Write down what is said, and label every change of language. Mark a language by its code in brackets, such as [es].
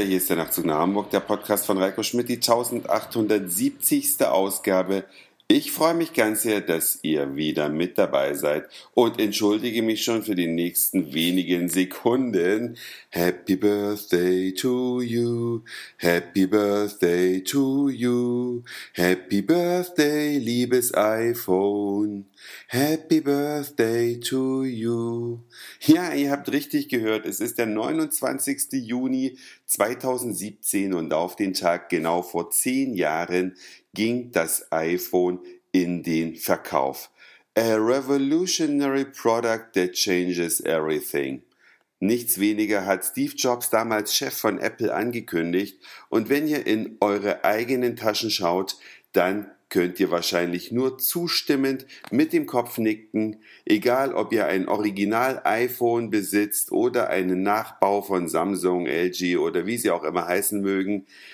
[de] Hier ist der Nacht zu Namburg, der Podcast von Reiko Schmidt, die 1870. Ausgabe. Ich freue mich ganz sehr, dass ihr wieder mit dabei seid und entschuldige mich schon für die nächsten wenigen Sekunden. [en] Happy Birthday to you, Happy Birthday to you, Happy Birthday, [de] liebes iPhone, [en] Happy Birthday to you. [de] Ja, ihr habt richtig gehört, es ist der 29. Juni 2017 und auf den Tag genau vor 10 Jahren ging das iPhone in den Verkauf. [en] A revolutionary product that changes everything. [de] Nichts weniger hat Steve Jobs damals Chef von Apple angekündigt. Und wenn ihr in eure eigenen Taschen schaut, dann könnt ihr wahrscheinlich nur zustimmend mit dem Kopf nicken. Egal, ob ihr ein Original-iPhone besitzt oder einen Nachbau von Samsung, LG oder wie sie auch immer heißen mögen.